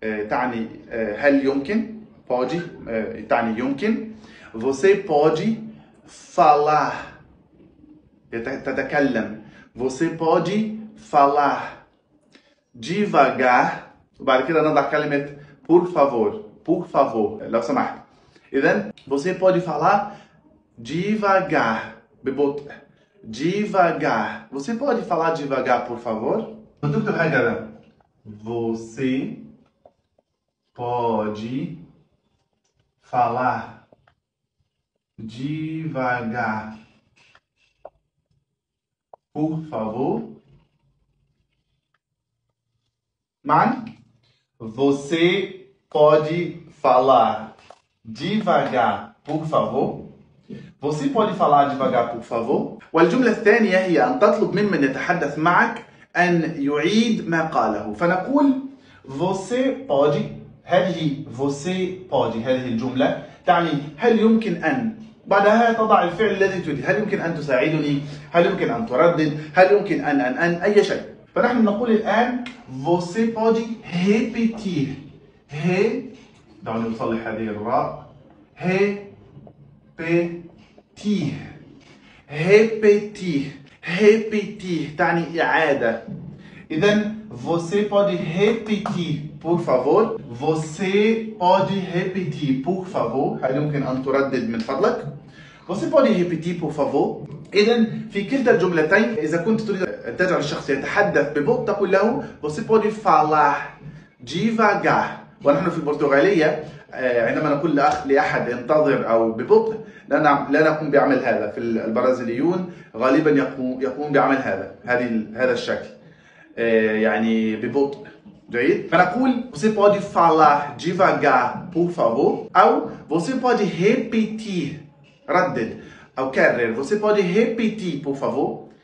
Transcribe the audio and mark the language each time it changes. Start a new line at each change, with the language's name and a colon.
Arabic: تعني هل يمكن،
Portuguese: pode
Arabic: تعني يمكن،
Portuguese: você pode falar
Arabic: تتكلم،
Portuguese: você pode falar devagar،
Arabic: وبعد كده نضع كلمة
Portuguese: por favor،
Arabic: por favor لو سمحت.
Portuguese: إذن você pode falar devagar، ببطء، devagar، você pode falar devagar por favor. دكتور هاجر، você pode falar devagar por favor.
Arabic: معنى
Portuguese: você pode falar devagar por favor. Você pode falar devagar por favor.
Arabic: والجملة الثانية هي أن تطلب ممن يتحدث معك أن يعيد ما قاله، فنقول
Portuguese: você pode،
Arabic: هذه você pode، هذه الجملة تعني هل يمكن أن، بعدها تضع الفعل الذي تريد، هل يمكن أن تساعدني، هل يمكن أن تردد، هل يمكن أن أي شيء. فنحن نقول الآن
Portuguese: você pode repetir،
Arabic: هي دعوني أصلح هذه الراء،
Portuguese: repetir،
Arabic: repetir، repetir تعني إعادة. إذن
Portuguese: você pode repetir por favor، você pode repetir por favor،
Arabic: هل يمكن أن تردد من فضلك؟
Portuguese: você pode repetir por favor.
Arabic: إذن في كلتا الجملتين إذا كنت تريد أن تجعل الشخص يتحدث ببطء تقول له
Portuguese: você pode falar devagar.
Arabic: ونحن في البرتغالية عندما نقول لأحد انتظر أو ببطء لا نقوم بعمل هذا، في البرازيليون غالبا يقوم بعمل هذا الشكل، يعني ببطء، جيد؟ فنقول
Portuguese: você pode falar devagar por favor،
Arabic: أو
Portuguese: você pode repetir،
Arabic: ردد أو كرر،
Portuguese: você pode repetir por favor.